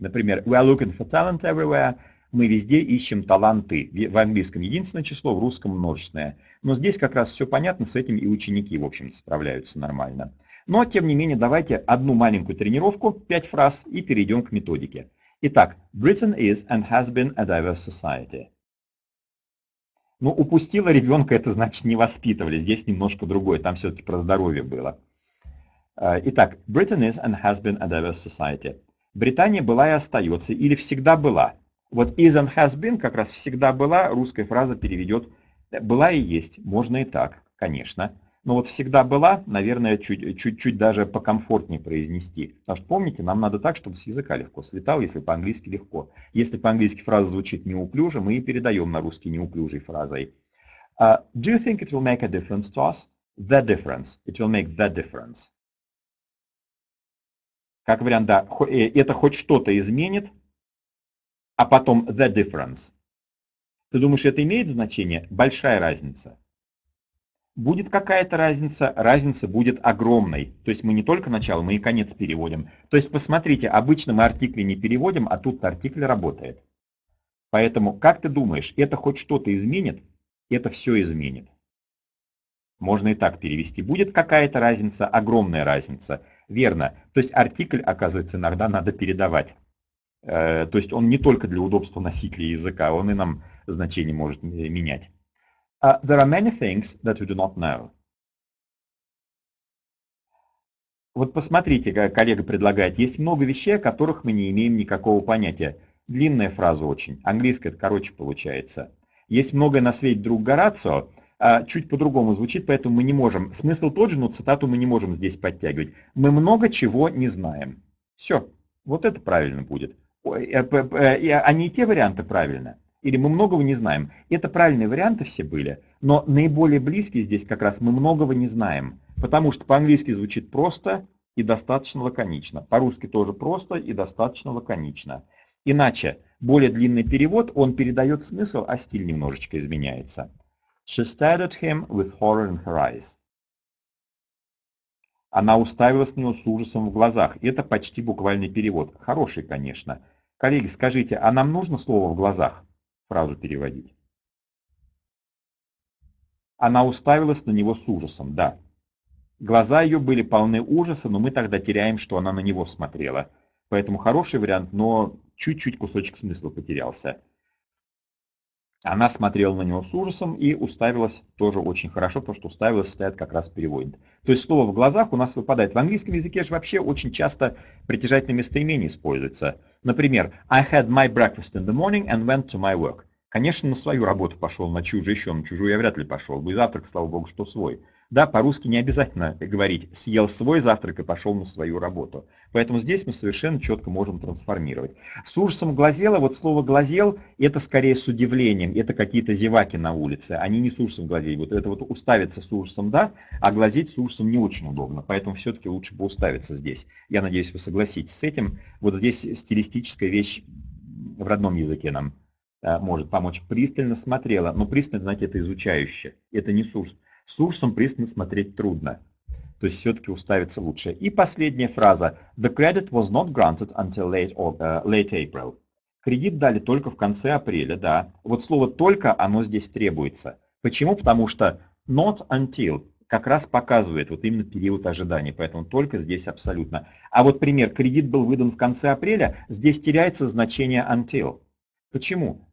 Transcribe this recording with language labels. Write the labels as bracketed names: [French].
[English] Например, we are looking for talent everywhere. [Russian] Мы везде ищем таланты. В английском единственное число, в русском множественное. Но здесь как раз все понятно, с этим и ученики, в общем-то, справляются нормально. Но, тем не менее, давайте одну маленькую тренировку, 5 фраз, и перейдем к методике. [English] Итак, Britain is and has been a diverse society. [Russian] Ну, упустила ребенка, это значит не воспитывали. Здесь немножко другое, там все-таки про здоровье было. [English] Итак, Britain is and has been a diverse society. [Russian] Британия была и остается, или всегда была. Вот [English] is and has been, [Russian] как раз всегда была, русская фраза переведет была и есть, можно и так, конечно. Но вот всегда была, наверное, чуть-чуть даже покомфортнее произнести. Потому что помните, нам надо так, чтобы с языка легко слетал, если по-английски легко. Если по-английски фраза звучит неуклюже, мы и передаем на русский неуклюжей фразой. [English] Do you think it will make a difference to us? The difference. It will make the difference. [Russian] Как вариант, да, это хоть что-то изменит. а потом [English] the difference. [Russian] Ты думаешь, это имеет значение? Большая разница. Будет какая-то разница, разница будет огромной. То есть мы не только начало, мы и конец переводим. То есть посмотрите, обычно мы артикли не переводим, а тут артикль работает. Поэтому, как ты думаешь, это хоть что-то изменит? Это все изменит. Можно и так перевести. Будет какая-то разница, огромная разница. Верно. То есть артикль, оказывается, иногда надо передавать. То есть он не только для удобства носителя языка, он и нам значение может менять. [English] There are many things that we do not know. [Russian] Вот посмотрите, как коллега предлагает. Есть много вещей, о которых мы не имеем никакого понятия. Длинная фраза очень. Английская это короче получается. Есть многое на свете, друг Горацио. Чуть по-другому звучит, поэтому мы не можем. Смысл тот же, но цитату мы не можем здесь подтягивать. Мы много чего не знаем. Все. Вот это правильно будет. А не те варианты правильно? Или мы многого не знаем? Это правильные варианты все были, но наиболее близкие здесь как раз мы многого не знаем. Потому что по-английски звучит просто и достаточно лаконично. По-русски тоже просто и достаточно лаконично. Иначе, более длинный перевод, он передает смысл, а стиль немножечко изменяется. [English] She stared at him with horror in her eyes. [Russian] Она уставилась на него с ужасом в глазах. Это почти буквальный перевод. Хороший, конечно. Коллеги, скажите, а нам нужно слово «в глазах» фразу переводить? Она уставилась на него с ужасом, да. Глаза ее были полны ужаса, но мы тогда теряем, что она на него смотрела. Поэтому хороший вариант, но чуть-чуть кусочек смысла потерялся. Она смотрела на него с ужасом и уставилась тоже очень хорошо, потому что уставилась, стоит как раз переводит. То есть слово «в глазах» у нас выпадает. В английском языке же вообще очень часто притяжательные местоимения используются. [English] Например, I had my breakfast in the morning and went to my work. [Russian] Конечно, на свою работу пошел, на чью же еще, на чужую я вряд ли пошел. И завтрак, слава богу, что свой. Да, по-русски не обязательно говорить «съел свой завтрак и пошел на свою работу». Поэтому здесь мы совершенно четко можем трансформировать. С ужасом глазела, вот слово «глазел» – это скорее с удивлением, это какие-то зеваки на улице, они не с ужасом глазели. Вот это вот «уставиться с ужасом» – да, а «глазеть с ужасом» не очень удобно, поэтому все-таки лучше бы уставиться здесь. Я надеюсь, вы согласитесь с этим. Вот здесь стилистическая вещь в родном языке нам может помочь. Пристально смотрела, но пристально, знаете, это изучающе, это не с ужасом. С ужасом пристально смотреть трудно. То есть все-таки уставиться лучше. И последняя фраза. [English] The credit was not granted until late April. [Russian] Кредит дали только в конце апреля, да. Вот слово «только» оно здесь требуется. Почему? Потому что [English] not until [Russian] как раз показывает вот именно период ожидания. Поэтому «только» здесь абсолютно. А вот пример. Кредит был выдан в конце апреля. Здесь теряется значение until. Почему?